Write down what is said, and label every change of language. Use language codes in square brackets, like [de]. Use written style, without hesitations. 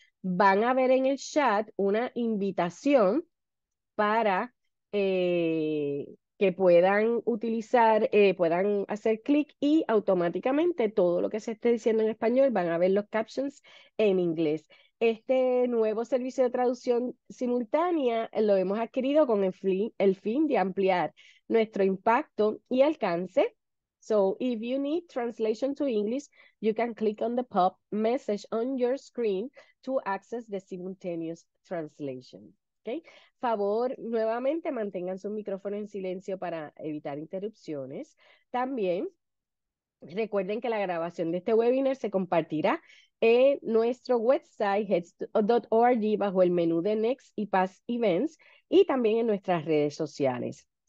[es] Van a ver en el chat una invitación para que puedan utilizar, puedan hacer clic y automáticamente todo lo que se esté diciendo en español van a ver los captions en inglés. Este nuevo servicio de traducción simultánea lo hemos adquirido con el fin de ampliar nuestro impacto y alcance. [en] So, if you need translation to English, you can click on the pop message on your screen to access the simultaneous translation. Okay. [es] Favor, nuevamente mantengan su micrófono en silencio para evitar interrupciones. También recuerden que la grabación de este webinar se compartirá en nuestro website heads.org bajo el menú de Next y Past Events y también en nuestras redes sociales.